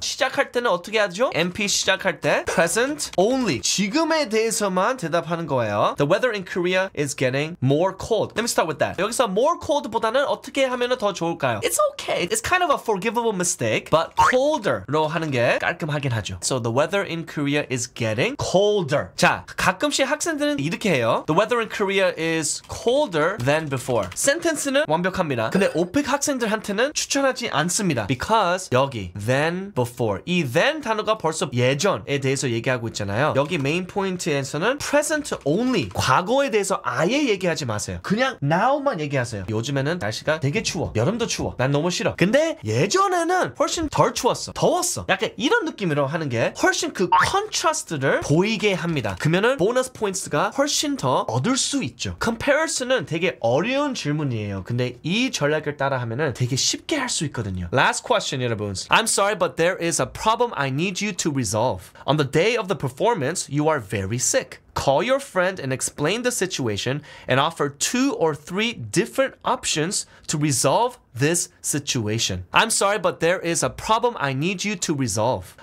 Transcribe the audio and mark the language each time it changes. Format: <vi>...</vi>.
<ko>시작할 때는 어떻게 하죠?</ko> <en>MP 시작할 때 present only.</en> <ko>지금에 대해서만 대답하는 거예요.</ko> <en>The weather in Korea is getting more cold. Let me start with that.</en> <ko>여기서 more cold보다는 어떻게 하면 더 좋을까요?</ko> <en>It's okay. It's kind of a forgivable mistake, but cold</en> <ko>로 하는 게 깔끔하긴 하죠.</ko> <en>So the weather in Korea is getting colder.</en> <ko>자, 가끔씩 학생들은 이렇게 해요.</ko> <en>The weather in Korea is colder than before.</en> <ko>센텐스는 완벽합니다. 근데 오픽 학생들한테는 추천하지 않습니다.</ko> <en>Because 여기 than before.</en> <ko>이 than 단어가 벌써 예전에 대해서 얘기하고 있잖아요. 여기 메인 포인트에서는 present only. 과거에 대해서 아예 얘기하지 마세요. 그냥 now만 얘기하세요. 요즘에는 날씨가 되게 추워. 여름도 추워. 난 너무 싫어. 근데 예전에는 훨씬 덜 추웠어. 더웠어. 약간 이런 느낌으로 하는 게 훨씬 그 컨트라스트를 보이게 합니다. 그러면은 보너스 포인트가 훨씬 더 얻을 수 있죠. Comparison은 되게 어려운 질문이에요. 근데 이 전략을 따라 하면은 되게 쉽게 할 수 있거든요.</ko> <en>Last question, 여러분. I'm sorry, but there is a problem I need you to resolve. On the day of the performance, you are very sick. Call your friend and explain the situation and offer two or three different options to resolve this situation. I'm sorry, but there is a problem I need you to resolve.</en>